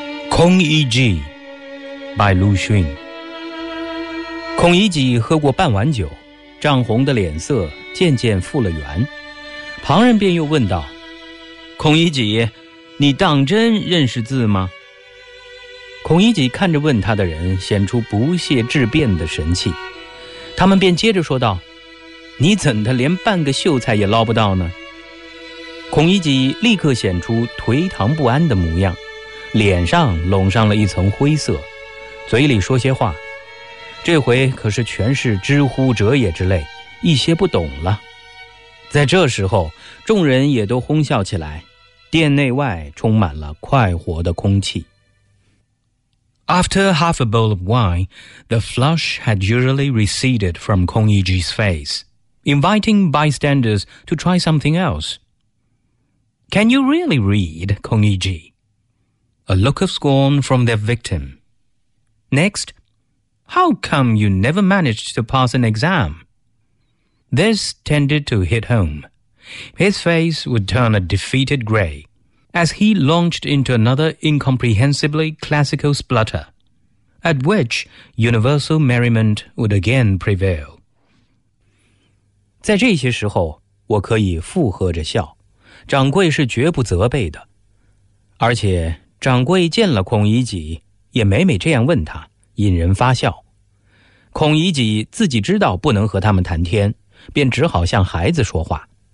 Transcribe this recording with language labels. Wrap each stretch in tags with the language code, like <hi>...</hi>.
<en>Kong Yiji by 鲁迅。</en> <zh>孔乙己喝过半碗酒，涨红的脸色渐渐复了原，旁人便又问道，孔乙己，你当真认识字吗？孔乙己看着问他的人，显出不屑质辩的神气，他们便接着说道，你怎的连半个秀才也捞不到呢？孔乙己立刻显出颓唐不安的模样，脸上拢上了一层灰色，嘴里说些话，这回可是全是知乎者也之类，一些不懂了。在这时候，众人也都哄笑起来，殿内外充满了快活的空气。</zh> <en>After half a bowl of wine, the flush had usually receded from Kong Yiji's face, inviting bystanders to try something else. Can you really read, Kong Yiji? A look of scorn from their victim. Next,How come you never managed to pass an exam? This tended to hit home. His face would turn a defeated grey as he launched into another incomprehensibly classical splutter, at which universal merriment would again prevail.</en> <zh>在这些时候，我可以附和着笑，掌柜是绝不责备的。而且掌柜见了孔乙己，也每每这样问他，引人发笑。孔乙己自己知道不能和他们谈天，便只好像孩子说话。</zh>